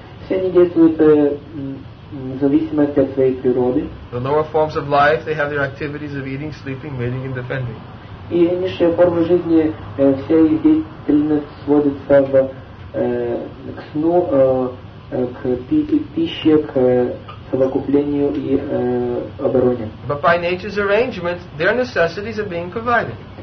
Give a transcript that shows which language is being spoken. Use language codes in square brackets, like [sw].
[ru] Все они действуют в зависимости от своей природы. [en] The lower forms of life, they have their activities of eating, sleeping, mating, and defending. [ru] И низшие формы жизни, вся их деятельность сводится к сну, к пище, к совокуплению и обороне. [en] But by nature's arrangement, their necessities are being provided.